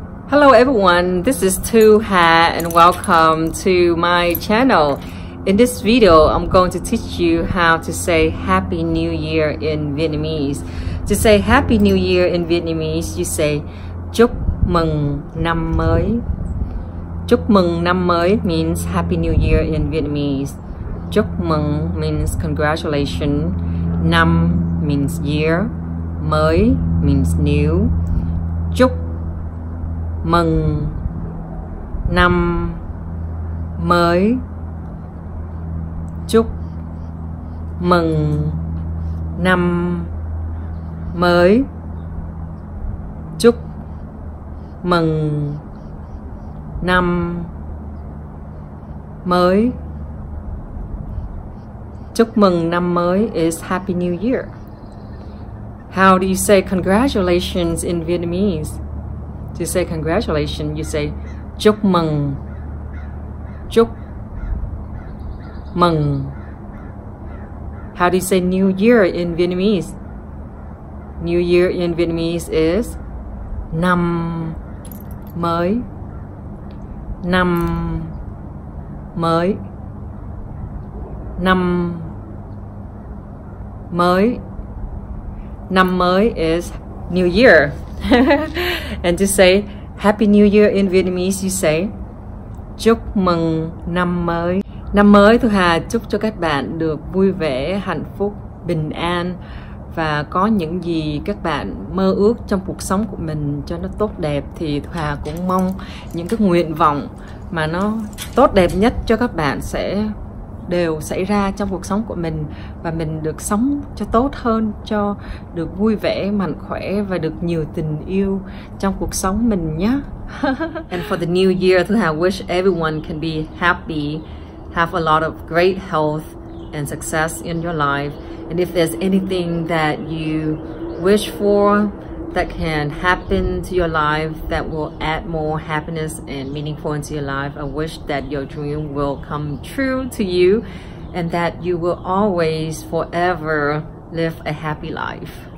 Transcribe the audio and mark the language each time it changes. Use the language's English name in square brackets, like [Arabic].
[English] Hello everyone, this is Thu Ha and welcome to my channel. In this video, I'm going to teach you how to say Happy New Year in Vietnamese. To say Happy New Year in Vietnamese, you say [Vietnamese] Chúc mừng năm mới. Chúc mừng năm mới [English] means Happy New Year in Vietnamese. Chúc mừng means congratulations. Năm means year. Mới means new. [Vietnamese] Chúc mừng năm mới. Chúc mừng năm mới. Chúc mừng năm mới. Chúc mừng năm mới [English] is Happy New Year. How do you say congratulations in Vietnamese? To say congratulations, you say chúc mừng. [Vietnamese] Chúc mừng. [English] How do you say New Year in Vietnamese? New Year in Vietnamese is năm mới. [Vietnamese] Năm mới. Năm mới. [English] Năm mới is New Year. And to say Happy New Year in Vietnamese, you say [Vietnamese] Chúc mừng năm mới. Năm mới Thu Hà chúc cho các bạn được vui vẻ, hạnh phúc, bình an và có những gì các bạn mơ ước trong cuộc sống của mình cho nó tốt đẹp, thì Thu Hà cũng mong những cái nguyện vọng mà nó tốt đẹp nhất cho các bạn sẽ đều xảy ra trong cuộc sống của mình và mình được sống cho tốt hơn, cho được vui vẻ, mạnh khỏe và được nhiều tình yêu trong cuộc sống mình nhé. [English] And for the new year, I wish everyone can be happy, have a lot of great health and success in your life. And if there's anything that you wish for that can happen to your life that will add more happiness and meaningful into your life, I wish that your dream will come true to you and that you will always forever live a happy life.